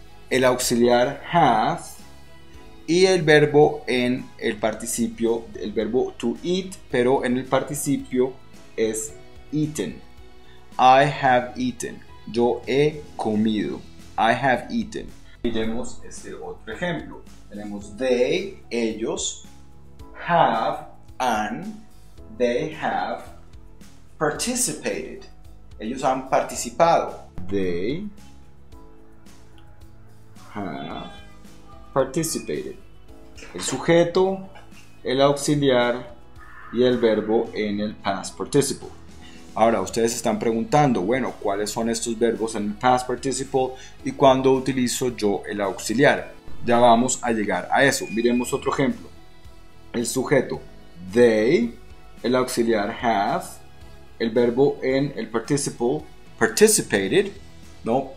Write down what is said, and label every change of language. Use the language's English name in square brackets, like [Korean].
[Spanish] El auxiliar have y el verbo en el participio, el verbo to eat, pero en el participio es eaten. [English] I have eaten. [Spanish] Yo he comido. [English] I have eaten. [Spanish] Miremos este otro ejemplo. Tenemos [English] they, ellos, have, and they have participated. [Spanish] Ellos han participado. [English] They have participated. [Spanish] El sujeto, el auxiliar y el verbo en el past participle. Ahora, ustedes están preguntando, bueno, ¿cuáles son estos verbos en el past participle y cuándo utilizo yo el auxiliar? Ya vamos a llegar a eso. Miremos otro ejemplo. El sujeto, they, el auxiliar, have, el verbo en el participle, participated, ¿no?